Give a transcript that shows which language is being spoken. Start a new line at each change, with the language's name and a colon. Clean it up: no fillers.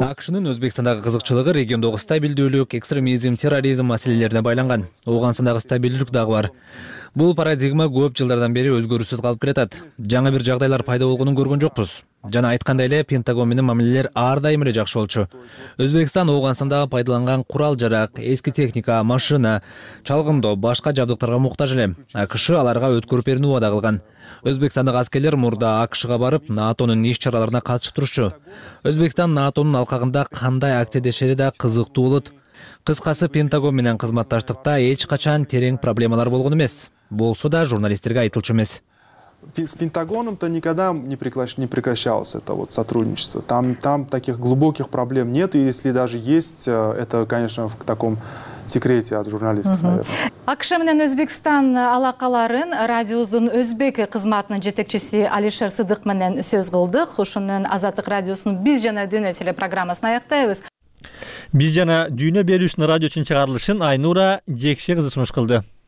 Kyrgyz: АКШнын Өзбекстандагы кызыкчылыгы региондогу стабилдүүлүк, экстремизм, терроризм маселелерине байланган. Ооганстандагы стабилдүүлүк дагы бар. Бул парадигма көп жылдардан бери өзгөрүүсүз калып келатат. Жаңы бир жагдайлар пайда болгонун көргөн жокпуз. Жана айткандай эле Пентагон менен мамилелер ар дайым эле жакшы болчу. Өзбекстан Ооганстанда пайдаланган курал-жарак, эски техника, машина, чалгындоо, башка жабдыктарга муктаж эле. АКШ аларга өткөрүп берүүнү убада кылган. Өзбекстандык аскерлер мурда АКШга барып, НАТОнун иш чараларына катышып турушчу. Өзбекстан НАТОнун алкагында кандай активдешери да кызыктуу болот. Кыскасы, Пентагон менен кызматташтыкта эч качан терең проблемалар болгон эмес. Болсо да журналисттерге айтылчу эмес.
Russian: С Пентагоном-то никогда не прекращалось это вот сотрудничество. Там таких глубоких проблем нет, и если даже есть, это, конечно, в таком секрете от журналистов, наверное.
Kyrgyz: АКШ менен Өзбекстан алакаларын радиосунун өзбек кызматынын жетекчиси Алишер Сыдык менен сөз кылдык. Ушунун Азаттык радиосунун биз жана дүйнө телепрограммасын аяктайбыз. Биз жана дүйнө берүүсүнүн радиосунун чыгарылышын Айнура Жекше кызы сунуш кылды.